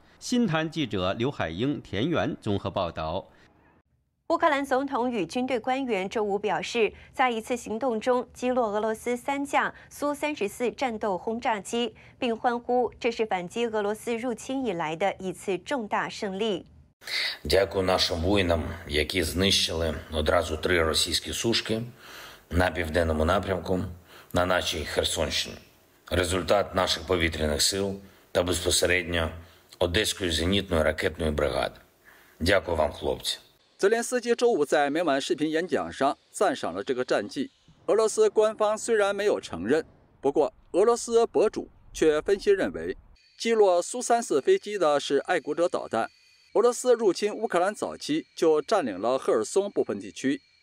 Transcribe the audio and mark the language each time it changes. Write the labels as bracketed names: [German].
[Chinese] 新唐记者刘海英、田园综合报道。乌克兰总统与军队官员周五表示，在一次行动中击落俄罗斯三架苏-34战斗轰炸机，并欢呼这是反击俄罗斯入侵以来的一次重大胜利。 [Ukrainian] Дякую нашим воїнам, які знищили одразу три російські сушки на південному напрямку на нашій Херсонщині. Результат наших повітряних сил та безпосередньо Одеської зенітної ракетної бригади. Дякую вам, хлопці. [Chinese] 泽连斯基周五在每晚视频演讲上赞赏了这个战绩。俄罗斯官方虽然没有承认，不过俄罗斯博主却分析认为，击落苏-34飞机的是爱国者导弹。俄罗斯入侵乌克兰早期就占领了赫尔松部分地区。